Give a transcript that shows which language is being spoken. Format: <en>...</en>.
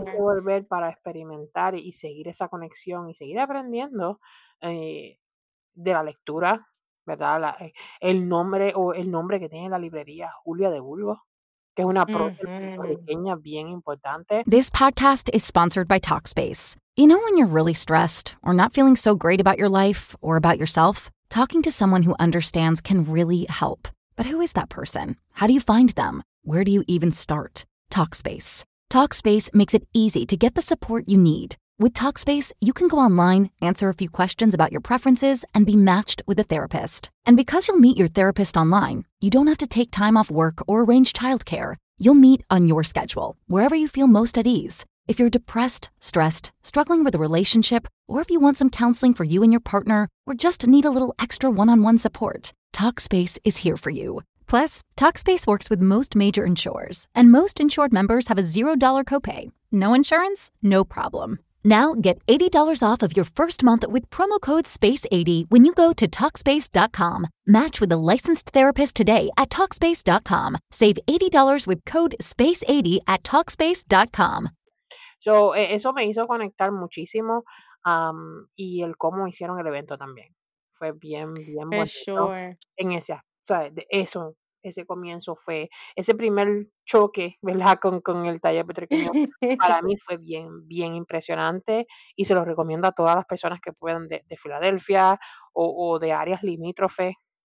<es>Tienes que volver para experimentar y seguir esa conexión y seguir aprendiendo de la lectura, ¿verdad? El nombre que tiene la librería Julia de Burgos, que es una pequeña bien importante.</es> <en>This podcast is sponsored by Talkspace. You know when you're really stressed or not feeling so great about your life or about yourself, talking to someone who understands can really help. But who is that person? How do you find them? Where do you even start? Talkspace. Talkspace makes it easy to get the support you need. With Talkspace, you can go online, answer a few questions about your preferences, and be matched with a therapist. And because you'll meet your therapist online, you don't have to take time off work or arrange childcare. You'll meet on your schedule, wherever you feel most at ease. If you're depressed, stressed, struggling with a relationship, or if you want some counseling for you and your partner, or just need a little extra one-on-one support, Talkspace is here for you. Plus, Talkspace works with most major insurers, and most insured members have a $0 copay. No insurance? No problem. Now, get $80 off of your first month with promo code SPACE80 when you go to Talkspace.com. Match with a licensed therapist today at Talkspace.com. Save $80 with code SPACE80 at Talkspace.com.</en> <es>So, eso me hizo conectar muchísimo, y el cómo hicieron el evento también. Fue bien, bien</es> <en>bonito. For sure.</en> <es>En ese, o sea, ese comienzo fue, ese primer choque, ¿verdad?, con el taller petroquímico, para mí fue bien, bien impresionante, y se lo recomiendo a todas las personas que puedan de Filadelfia o de áreas limítrofes</es>